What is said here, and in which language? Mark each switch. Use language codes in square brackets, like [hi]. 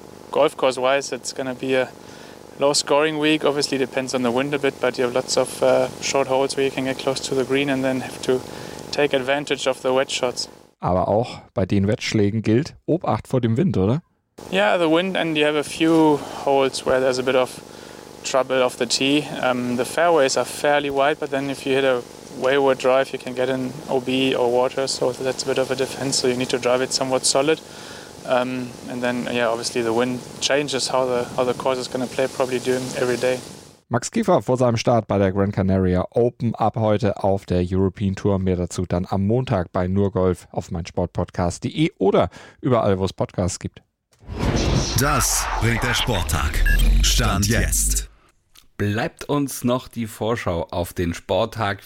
[en] Golf course wise, it's gonna be a low scoring week. Obviously depends on the wind a bit, but you have lots of short holes where you can get close to the green and then have to take advantage of the wedge shots. [de] Aber auch bei den Wettschlägen gilt Obacht vor dem Wind, oder? [en] Yeah, the wind and you have a few holes where there's a bit of trouble off the tee. The fairways are fairly wide, but then if you hit a wayward drive, you can get an OB or water, so that's a bit of a defense. So you need to drive it somewhat solid. And then, yeah, obviously the wind changes how the course is going to play probably during every day. [de] Max Kiefer vor seinem Start bei der Gran Canaria Open ab heute auf der European Tour. Mehr dazu dann am Montag bei nurgolf auf meinsportpodcast.de oder überall, wo es Podcasts gibt. Das bringt der Sporttag. Stand jetzt. Bleibt uns noch die Vorschau auf den Sporttag.